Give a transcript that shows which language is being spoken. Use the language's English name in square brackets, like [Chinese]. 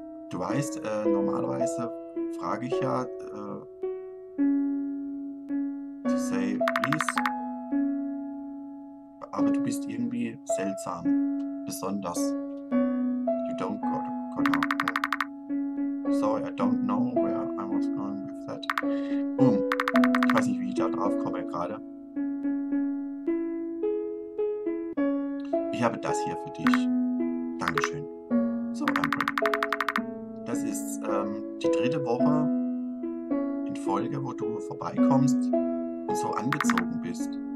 [German] Du weißt, normalerweise frage ich ja, [English] to say please. [German] Aber du bist irgendwie seltsam. Besonders. [English] You don't go to. Sorry, I don't know where I was going with that. Boom. [German] Ich weiß nicht, wie ich da drauf komme gerade. Ich habe das hier für dich. Dankeschön. So, Amber. Das ist die dritte Woche in Folge, wo du vorbeikommst und so angezogen bist.